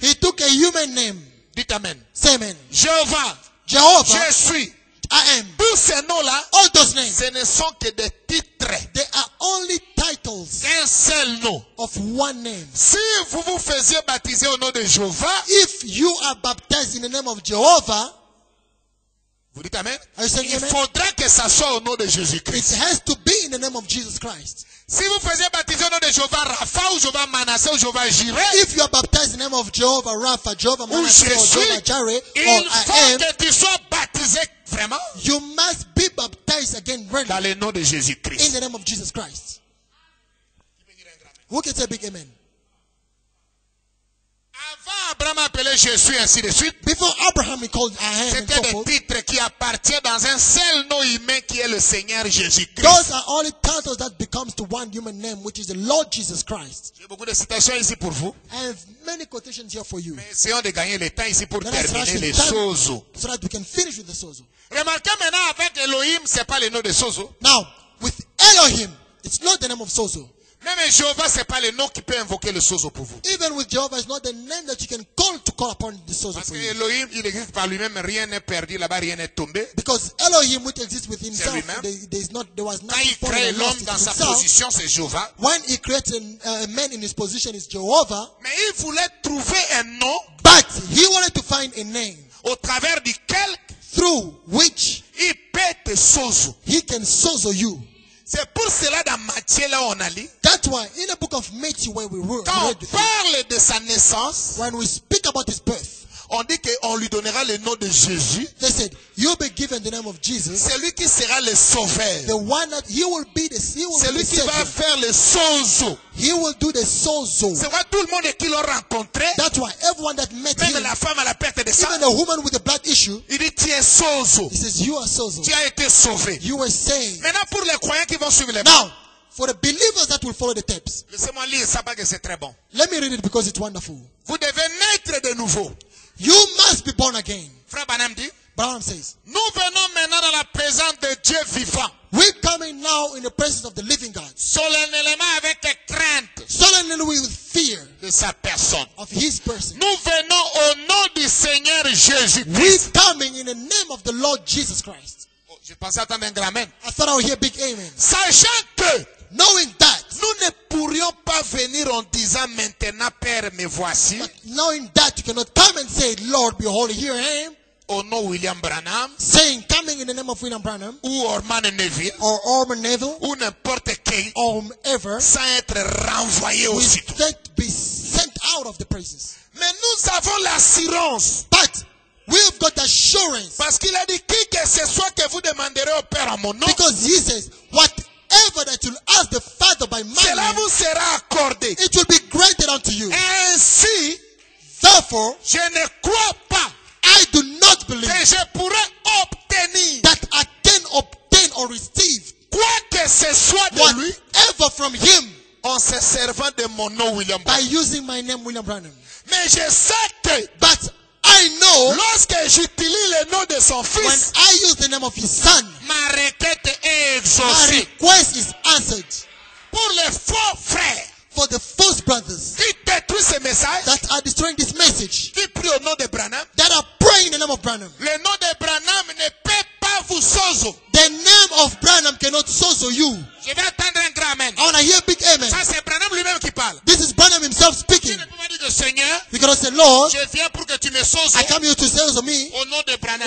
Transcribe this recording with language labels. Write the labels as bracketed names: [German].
[English] He took a human name. [French] Dites amen. [English] Say amen. [French] Jehovah. [English] Jehovah. [French] Je suis. [English] I am. [French] Tous ces noms-là, [English] all those names, [French] ce ne sont que des titres. [English] They are only titles. [French] Un seul nom. [English] Of one name. [French] Si vous vous faisiez baptiser au nom de Jehovah, [English] if you are baptized in the name of Jehovah, [French] vous dites amen. [English] Are you saying [French] il [English] amen? [French] Faudra que ça soit au nom de Jésus-Christ. [English] It has to be in the name of Jesus Christ. [French] Si vous faisiez baptiser au nom de Jehovah Rapha ou Jehovah Manasseh ou Jehovah Jireh, [English] if you are baptized in the name of Jehovah Rapha, Jehovah Manasseh or Jehovah Jireh, [French] il faut que tu sois baptisé vraiment. [English] You must be baptized again, really. [French] Dans le nom de Jésus-Christ. [English] In the name of Jesus Christ. Who can say a big amen? [French] Avant Abraham appelé Jésus ainsi de suite, [English] before Abraham he called Ahem, [French] c'était des titres qui appartiennent dans un seul nom humain qui est le Seigneur Jésus Christ. [English] Those are only titles that becomes to one human name, which is the Lord Jesus Christ. [French] J'ai beaucoup de citations ici pour vous. [English] I have many quotations here for you. [French] Mais essayons de gagner le temps ici pour then terminer les sozo. [English] So that we can finish with the sozo. [French] Remarquez maintenant avec Elohim, c'est pas le nom de sozo. [English] Now with Elohim, it's not the name of sozo. [French] Même Jéhovah, c'est pas le nom qui peut invoquer le sozo pour vous. [English] Even with Jehovah, it's not the name that you can call to call upon the sozo. [French] Parce que Elohim, il existe par lui-même, rien n'est perdu là-bas, rien n'est tombé. [English] Because Elohim, which exists within himself, there is not, there was nothing. [French] Quand il crée l'homme dans sa position, c'est Jéhovah. [English] When he creates a man in his position, it's Jehovah. [French] Mais il voulait trouver un nom. [English] But he wanted to find a name. [French] Au travers duquel, [English] through which, [French] il peut te sozo. [English] He can sozo you. [French] C'est pour cela dans Matthieu là on a lu. [English] That's why in the book of Matthew where we read. [French] Quand on parle de sa naissance, [English] when we speak about his birth, [French] on dit que on lui donnera le nom de Jésus. [English] They said you'll be given the name of Jesus. [French] C'est lui qui sera le sauveur. [English] The one that he will be the savior. [French] C'est lui qui [English] savior. [French] Va faire le sozo. [English] He will do the sozo. [French] C'est vrai tout le monde qui l'a rencontré. [English] That's why everyone that met [French] même [English] him. [French] Même la femme à la perte de sang. [English] Even a woman with a blood issue. [French] Il dit tu es sozo. [English] He says you are sozo. [French] Tu as été sauvé. [English] You were saved. [French] Maintenant pour les croyants qui vont suivre les. [English] Now for the believers that will follow the steps. [French] Laissez-moi lire ça parce que c'est très bon. [English] Let me read it because it's wonderful. [French] Vous devez naître de nouveau. [English] You must be born again. [French] Frère Branham dit. [English] Branham says. [French] Nous venons maintenant dans la présence de Dieu vivant. [English] We coming now in the presence of the living God. [French] Solennellement avec crainte. Solennellement [English] with fear. [French] De sa personne. [English] Of his person. [French] Nous venons au nom du Seigneur Jésus Christ. [English] We coming in the name of the Lord Jesus Christ. [French] Oh, je pensais attendre un grand amen. [English] I thought I would hear a big amen. [French] Sachant que. [English] Knowing that, [French] nous ne pourrions pas venir en disant maintenant, Père, me voici. [English] But knowing that, you cannot come and say, Lord, behold, here I am. [French] Au nom William Branham. [English] Saying, coming in the name of William Branham. [French] Ou Orman Neville. [English] Or Orman Neville. [French] Ou n'importe qui. [English] Or ever. [French] Sans être renvoyé aussitôt. [English] Without be sent out of the presence. [French] Mais nous avons l'assurance. [English] But we have got assurance. [French] Parce qu'il a dit qui que ce soit que vous demanderez au Père en mon nom. [English] Because he says, what? Ever that you'll ask the Father by my name, it will be granted unto you. [French] Ainsi, [English] Therefore, [French] je ne crois pas, [English] I do not believe, [French] que je pourrais obtenir, [English] that I can obtain or receive, [French] quoi que ce soit de lui, [English] ever from him, [French] en se servant de mon nom William [English] Branham, by using my name William Branham. [French] Mais je sais que, [English] but I know, [French] lorsque j'utilise le nom de son fils, [English] when I use the name of his son, [French] ma requête est exaucée. [English] My request is answered. [French] Pour les faux frères, [English] for the false brothers, [French] qui détruit ce message, [English] that are destroying this message, [French] qui prie au nom de Branham, [English] that are praying in the name of Branham. [French] Le nom de Branham ne peut pas vous sozo. [English] The name of Branham cannot sozo you. [French] Je vais attendre un grand amen. [English] I want to hear a big amen. [French] Ça, c'est Branham lui-même qui parle. [English] This is Branham himself speaking. You cannot say, Lord, [French] je viens pour que tu me sozo, [English] I come here to sozo me [French] au nom de Branham.